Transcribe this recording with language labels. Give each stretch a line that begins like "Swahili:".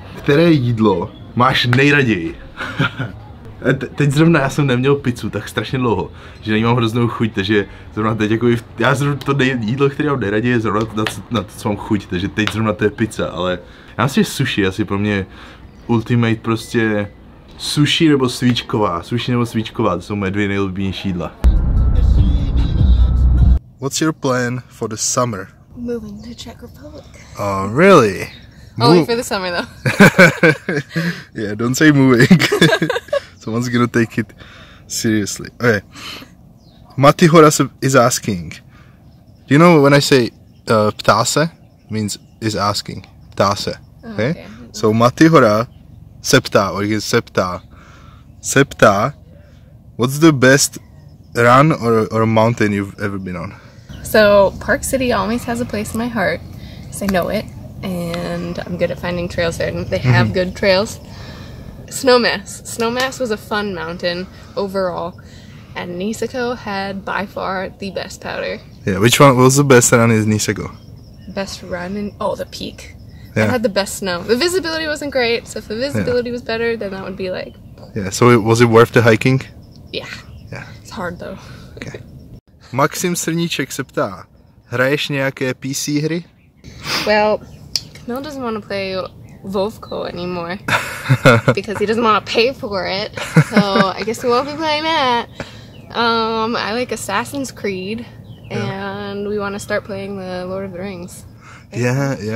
Czech: Které jídlo máš nejraději? Teď zrovna já jsem neměl pizzu tak strašně dlouho, že na ní mám hroznou chuť, takže zrovna teď jako já zrovna to jídlo, které mám nejraději, je zrovna na to, co mám chuť, takže teď zrovna to je pizza, ale já myslím, že sushi asi pro mě ultimate prostě sushi nebo svíčková, to jsou moje dvě nejlíbenější jídla.
English: What's your plan for the summer? Moving to Czech Republic. Oh, really? Only for the summer, though. Yeah, don't say moving. Someone's gonna take it seriously. Okay. Mati Horas is asking. Do you know when I say ptáse? Means is asking. Ptáse. Okay? Oh, okay. So Mati Hora
Czech: se ptá,
English: or he se ptá.
Czech: Se ptá,
English: what's the best run or mountain you've ever been on? So Park City always has a place in my heart, because I know it, and I'm good at finding trails there, and they have good trails. Snowmass was a fun mountain overall, and Niseko had by far the best powder. Yeah, which one was the best run in Niseko? Best run in, oh, the peak. Yeah. It had the best snow. The visibility wasn't great, so if the visibility was better, then that would be like... Yeah, so was it worth the hiking? Yeah. Yeah. It's hard though. Okay.
Czech: Maxim Srníček se ptá, hraješ nějaké PC hry?
English: Well, Camil doesn't want to play Vovko anymore, because he doesn't want to pay for it, so I guess we won't be playing that. I like Assassin's Creed, and we want to start playing the Lord of the Rings. Yeah.